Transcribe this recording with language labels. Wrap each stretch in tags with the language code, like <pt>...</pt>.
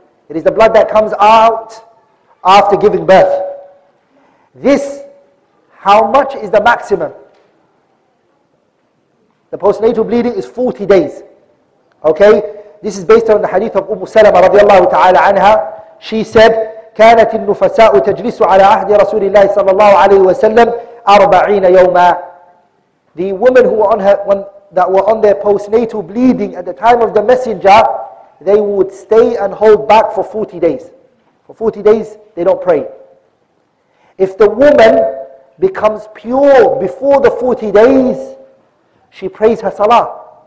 <en>It is the blood that comes out after giving birth. This, how much is the maximum? The postnatal bleeding is 40 days. Okay? This is based on the hadith of Umm Salama radiallahu ta'ala anha. She said,</en> <ar>كانت النفساء تجلس على عهد رسول الله صلى الله عليه وسلم 40 يوما.</ar> <en>The women who were on her, that were on their postnatal bleeding at the time of the messenger, they would stay and hold back for 40 days. For 40 days, they don't pray. If the woman becomes pure before the 40 days, she prays her salah.</en>